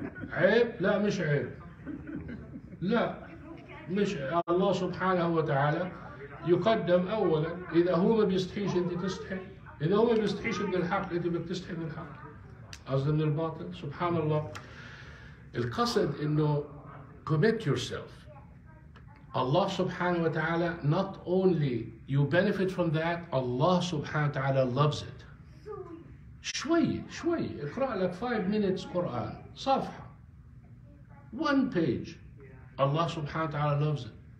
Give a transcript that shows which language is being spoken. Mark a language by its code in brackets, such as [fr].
[ar] عيب؟ لا مش عيب. لا مش عيب. الله سبحانه وتعالى يقدم أولا. إذا هو ما بيستحيش أنت تستحي، إذا هو ما بيستحيش من الحق أنت بتستحي من الحق أصلاً من الباطل. سبحان الله. القصد إنه [en] commit yourself. Allah سبحانه وتعالى not only you benefit from that, Allah سبحانه وتعالى loves it. [ar] شوي شوي اقرأ لك [en] 5 minutes [ar] قرآن صفحة [en] 1 page [ar] Allah سبحانه وتعالى [en] loves it.